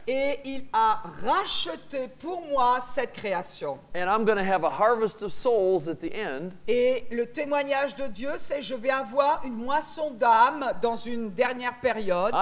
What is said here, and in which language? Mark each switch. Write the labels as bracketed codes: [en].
[fr] Et il a racheté pour moi cette création. [en] And I'm going to have a harvest of souls at the end. [fr] Et le témoignage de Dieu, c'est je vais avoir une moisson d'âme dans une dernière période.